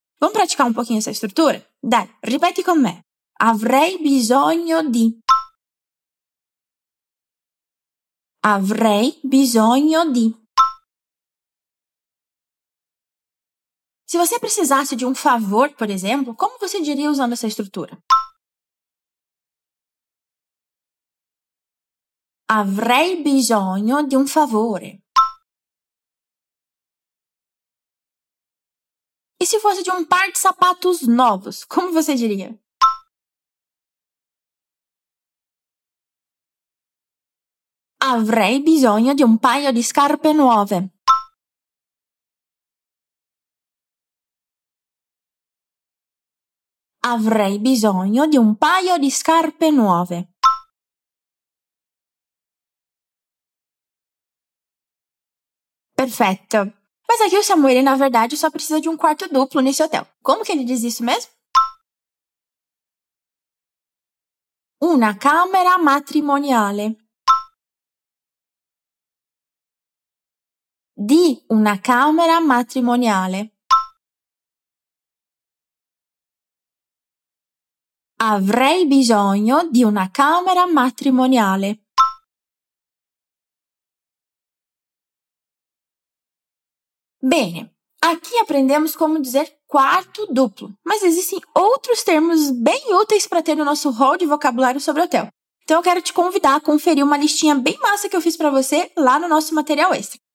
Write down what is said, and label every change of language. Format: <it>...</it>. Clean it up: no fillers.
<pt>Vamos praticar um pouquinho essa estrutura?</pt> <it>Dai, ripete com me. Avrei bisogno di. Avrei bisogno di.</it> <pt>Se você precisasse de um favor, por exemplo, como você diria usando essa estrutura?</pt> <it>Avrei bisogno di un favore.</it> <pt>E se fosse de um par de sapatos novos, como você diria?</pt> <it>Avrei bisogno di un paio di scarpe nuove. Avrei bisogno di un paio di scarpe nuove. Perfetto.</it> <pt>Mas aqui o Samuel, na verdade, só precisa de um quarto duplo nesse hotel. Como que ele diz isso mesmo?</pt> <it>Una camera matrimoniale. Di una camera matrimoniale. Avrei bisogno di una camera matrimoniale.</it> <pt>Bene, aqui aprendemos como dizer quarto duplo, mas existem outros termos bem úteis para ter no nosso hall de vocabulário sobre hotel. Então eu quero te convidar a conferir uma listinha bem massa que eu fiz para você lá no nosso material extra.</pt>